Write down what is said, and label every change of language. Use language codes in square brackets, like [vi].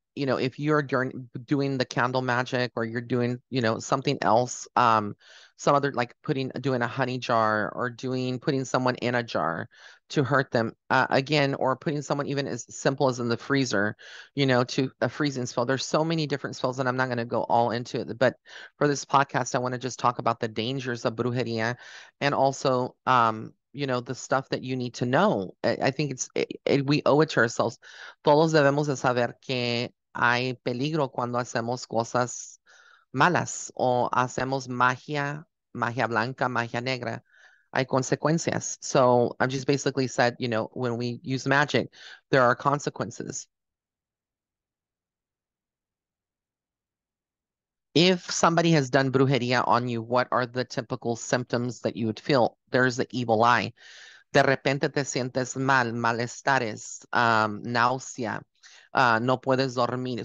[en] If you're doing the candle magic or you're doing, something else, some other like doing a honey jar or putting someone in a jar to hurt them again, or putting someone even as simple as in the freezer, to a freezing spell. There's so many different spells, and I'm not going to go all into it. But for this podcast, I want to just talk about the dangers of brujeria and also, the stuff that you need to know. I think we owe it to ourselves. [es] Todos debemos de saber que hay peligro cuando hacemos cosas malas o hacemos magia, magia blanca, magia negra. Hay consecuencias. [en] So I've just basically said, when we use magic, there are consequences. If somebody has done brujería on you, what are the typical symptoms that you would feel? There's the evil eye. [es] De repente te sientes mal, malestares, náusea, no puedes dormir.